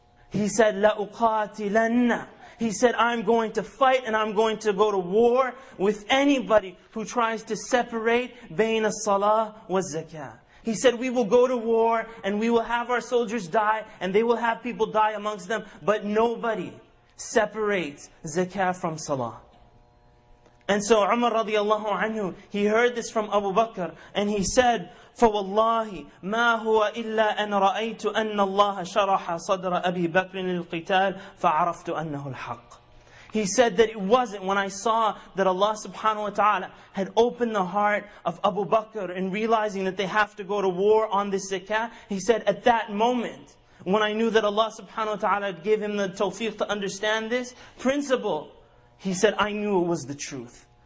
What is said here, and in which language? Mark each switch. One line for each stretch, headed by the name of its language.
English: He said,
Arabic: "La uqatilanna."
English: He said, "I'm going to fight and I'm going to go to war with anybody who tries to separate
Arabic: bayna salah wa zakah."
English: He said, "We will go to war and we will have our soldiers die and they will have people die amongst them, but nobody separates zakah from salah." And so Umar radiallahu anhu, he heard this from Abu Bakr and he said,
Arabic: "فَوَاللَّهِ مَا هُوَ إِلَّا أَنْ رَأَيْتُ أَنَّ اللَّهَ شَرَحَ صَدْرَ أَبِي بَكْرٍ لِلْقِتَالِ فَعَرَفْتُ أَنَّهُ الْحَقِّ."
English: He said that it wasn't when I saw that Allah subhanahu wa ta'ala had opened the heart of Abu Bakr in realizing that they have to go to war on this zakah. He said, at that moment, when I knew that Allah subhanahu wa ta'ala had given him the tawfiq to understand this principle, he said, I knew it was the truth.